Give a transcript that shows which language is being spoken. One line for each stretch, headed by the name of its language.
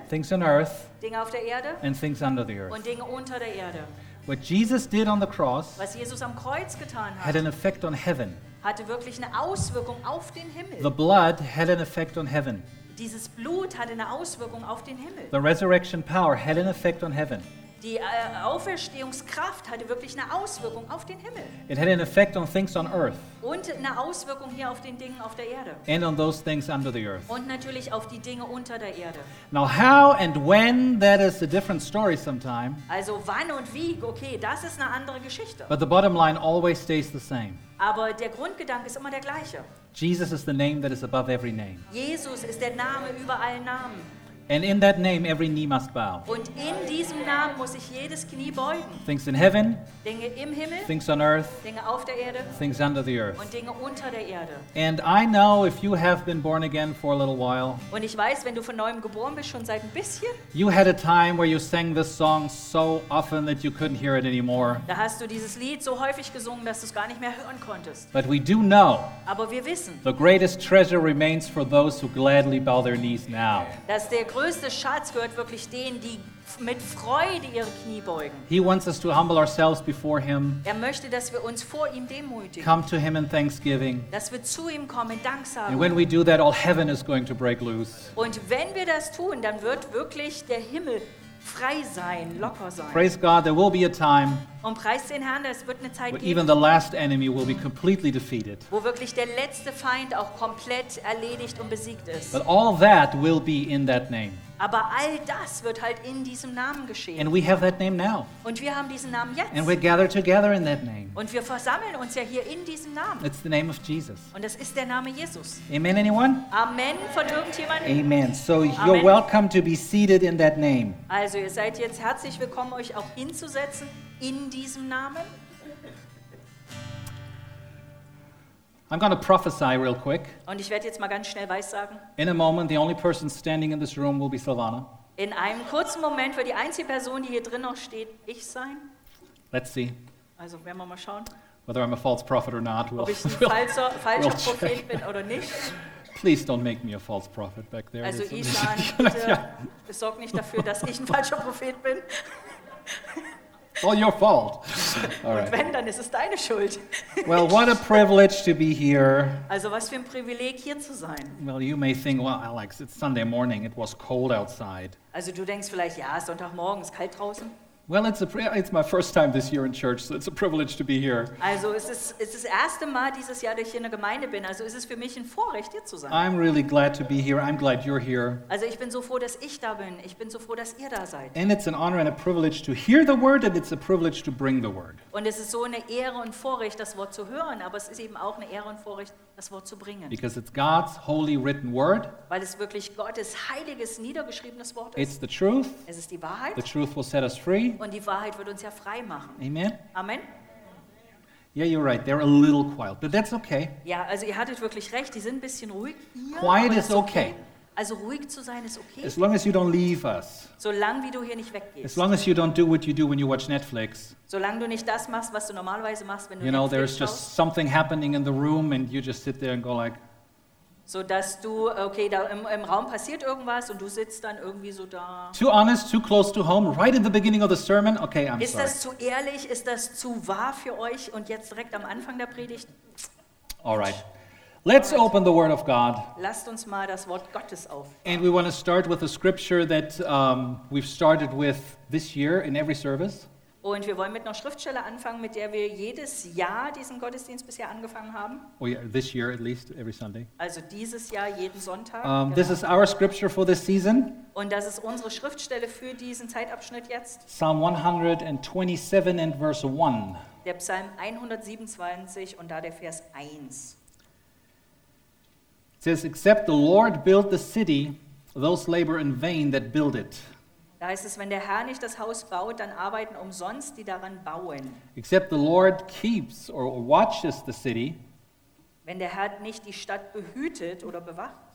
English: things on earth,
German: Dinge auf der Erde,
English: and things under the earth,
German: und Dinge unter der Erde.
English: What Jesus did on the cross,
German: was Jesus am Kreuz getan hat,
English: had an effect on heaven,
German: hatte wirklich eine Auswirkung auf den Himmel.
English: The blood had an effect on heaven.
German: Dieses Blut hatte eine Auswirkung auf den Himmel.
English: The resurrection power had an effect on heaven.
German: Die Auferstehungskraft hatte wirklich eine Auswirkung auf den Himmel.
English: It had an effect on things on earth.
German: Und eine Auswirkung hier auf den Dingen auf der Erde.
English: And on those things under the earth.
German: Und natürlich auf die Dinge unter der Erde.
English: Now how and when, that is a different story sometime.
German: Also wann und wie, okay, das ist eine andere Geschichte.
English: But the bottom line always stays the same.
German: Aber der Grundgedanke ist immer der gleiche.
English: Jesus is the name that is above every name.
German: Jesus ist der Name über allen Namen.
English: And in that name every knee must bow.
German: Und in diesem Namen muss sich jedes Knie beugen.
English: Things in heaven.
German: Dinge im Himmel.
English: Things on earth.
German: Dinge auf der Erde.
English: Things under the earth.
German: Und Dinge unter der Erde.
English: And I know if you have been born again for a little while.
German: Und ich weiß, wenn du von neuem geboren bist, schon seit ein bisschen.
English: You had a time where you sang this song so often that you couldn't hear it anymore.
German: Da hast du dieses Lied so häufig gesungen, dass du es gar nicht mehr hören konntest.
English: But we do know.
German: Aber wir wissen.
English: The greatest treasure remains for those who gladly bow their knees now.
German: Dass der größte Schatz gehört wirklich denen, die mit Freude ihre Knie beugen.
English: He wants us to humble ourselves before him.
German: Er möchte, dass wir uns vor ihm demütigen.
English: Come to him in thanksgiving.
German: Dass wir zu ihm kommen in Dank sagen.
English: And when we do that, all heaven is going to break loose.
German: Und wenn wir das tun, dann wird wirklich der Himmel frei sein, locker sein.
English: Praise God, there will be a time.
German: Und preis den Herrn, es wird eine Zeit geben.
English: Even the last enemy will be completely defeated.
German: Wo wirklich der letzte Feind auch komplett erledigt und besiegt ist.
English: But all that will be in that name.
German: Aber all das wird halt in diesem Namen geschehen.
English: And we have that name now.
German: Und wir haben diesen Namen jetzt.
English: And we gather together in that name.
German: Und wir versammeln uns ja hier in diesem Namen.
English: It's the name of Jesus.
German: Und das ist der Name Jesus.
English: Amen, anyone?
German: Amen von irgendjemandem.
English: Amen. So you're Amen. Welcome to be seated in that name.
German: Also ihr seid jetzt herzlich willkommen, euch auch hinzusetzen. In diesem Namen.
English: I'm going to prophesy real quick.
German: Und ich werde jetzt mal ganz schnell weissagen.
English: In a moment, the only person standing in this room will be Silvana.
German: In einem kurzen Moment wird die einzige Person, die hier drin noch steht, ich sein.
English: Let's see.
German: Also werden wir mal schauen.
English: Whether I'm a false prophet or not.
German: Ob ich ein falscher Prophet check. Bin oder nicht.
English: Please don't make me a false prophet back there.
German: Also Ishan, bitte sorg nicht dafür, dass ich ein falscher Prophet bin.
English: All your fault. All right.
German: Und wenn, dann ist es deine Schuld.
English: Well, what a privilege to be here.
German: Also, was für ein Privileg hier zu sein.
English: Well, you may think, well, Alex, it's Sunday morning. It was cold outside.
German: Also, du denkst vielleicht, ja, Sonntagmorgen, ist kalt draußen.
English: Well, it's my first time this year in church, so it's a privilege to be here.
German: Also, es ist das erste Mal dieses Jahr, dass ich hier in der Gemeinde bin. Also, ist es für mich ein Vorrecht, hier zu sein.
English: I'm really glad to be here. I'm glad you're here.
German: Also, ich bin so froh, dass ich da bin. Ich bin so froh, dass ihr da seid.
English: And it's an honor and a privilege to hear the word, and it's a privilege to bring the word.
German: Und es ist so eine Ehre und Vorrecht, das Wort zu hören, aber es ist eben auch eine Ehre und Vorrecht, das Wort zu bringen.
English: Because it's God's holy written word.
German: Weil es wirklich Gottes heiliges, niedergeschriebenes Wort ist.
English: It's the truth.
German: Es ist die Wahrheit.
English: The truth will set us free.
German: Und die Wahrheit wird uns ja frei machen.
English: Amen.
German: Amen.
English: Yeah, you're right. They're a little quiet, but that's okay.
German: Ja, also ihr hattet wirklich recht. Die sind ein bisschen ruhig. Ja,
English: quiet is okay.
German: Also ruhig zu sein ist okay.
English: As long as you don't leave us.
German: Solange wie du hier nicht weggehst.
English: As long as you don't do what you do when you watch Netflix.
German: Solange du nicht das machst, was du normalerweise machst, wenn du Netflix schaust.
English: You know, there's just something happening in the room and you just sit there and go like.
German: So dass du, okay, da im Raum passiert irgendwas und du sitzt dann irgendwie so da.
English: Too honest, too close to home, right in the beginning of the sermon. Okay, I'm
German: ist
English: sorry.
German: Ist das zu ehrlich? Ist das zu wahr für euch? Und jetzt direkt am Anfang der Predigt?
English: All right. Let's open the Word of God.
German: Lasst uns mal das Wort Gottes auf.
English: And we want to start with a scripture that we've started with this year in every service.
German: Und wir wollen mit einer Schriftstelle anfangen, mit der wir jedes Jahr diesen Gottesdienst bisher angefangen haben.
English: Oh yeah, this year at least, every Sunday.
German: Also dieses Jahr jeden Sonntag. Genau.
English: This is our scripture for this season.
German: Und das ist unsere Schriftstelle für diesen Zeitabschnitt jetzt.
English: Psalm 127 and verse 1.
German: Der Psalm 127 und da der Vers 1.
English: It says, except the Lord build the city, those labor in vain that build it.
German: Da heißt es, wenn der Herr nicht das Haus baut, dann arbeiten umsonst die daran bauen.
English: Except the Lord keeps or watches the city.
German: Wenn der Herr nicht die Stadt behütet oder bewacht.